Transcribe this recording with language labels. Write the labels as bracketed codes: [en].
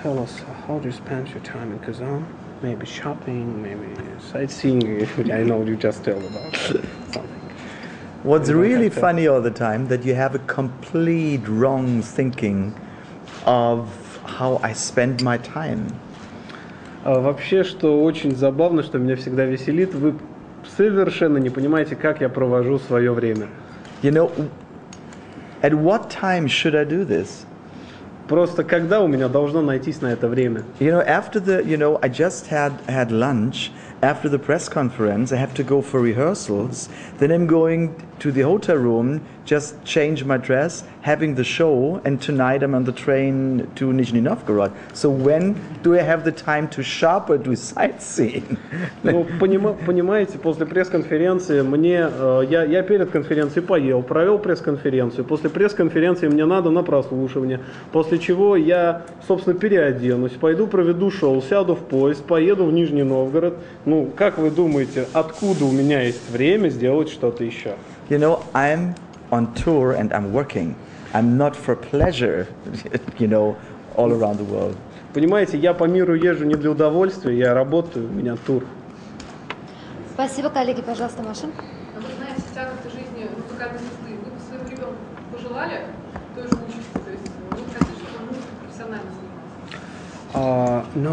[en] Tell us, how do you spend your time in Kazan? Maybe shopping, maybe sightseeing, I know you just told about something. What's really funny all the time that you have a complete wrong thinking of how I spend my time. [ru] Вообще, что очень забавно, что меня всегда веселит, вы совершенно не понимаете, как я провожу свое время. [en] You know, at what time should I do this? [ru] Просто когда у меня должно найтись на это время? [en] You know, after the, you know, I just had lunch after the press conference. I have to go for rehearsals. Then I'm going to the hotel room, just change my dress, having the show, and tonight I'm on the train to Nizhny Novgorod. So when do I have the time to shop or do sightseeing? [ru] Ну, понимаете, после пресс-конференции мне я перед конференцией поел, провел пресс-конференцию. После пресс-конференции мне надо на прослушивание. После чего я, собственно, переоденусь, пойду проведу шоу, сяду в поезд, поеду в Нижний Новгород. Ну, как вы думаете, откуда у меня есть время сделать что-то еще? [en] You know, I'm on tour and I'm working. I'm not for pleasure, you know, all around the world. [ru] Понимаете, я по миру езжу не для удовольствия, я работаю, у меня тур. Спасибо, коллеги. Пожалуйста, Маша. Вы знаете, тяготы жизни, вы как-то не злые. Вы бы своим ребенком пожелали той же участие, то есть вы хотите, чтобы музыка профессионально занималась?